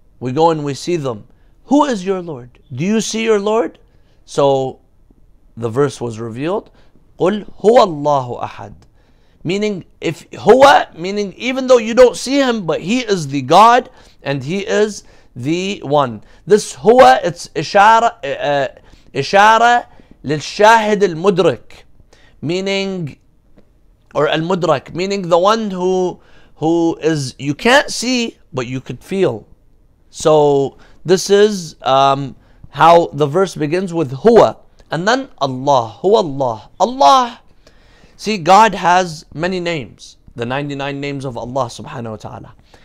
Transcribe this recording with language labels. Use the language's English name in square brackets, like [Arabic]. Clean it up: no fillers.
[English] We go and we see them. Who is your Lord? Do you see your Lord? So the verse was revealed. [Arabic] قُلْ هُوَ اللَّهُ أَحَدْ. [English] Meaning, if هُوَ, meaning even though you don't see him, but he is the God and he is the one. This [Arabic] هُوَ, [English] it's [Arabic] إشارة للشاهد المدرك. [English] Meaning, or al-mudrak, meaning the one who is, you can't see, but you could feel. So this is how the verse begins with huwa, and then Allah, huwa Allah. Allah, see, God has many names, the 99 names of Allah subhanahu wa ta'ala.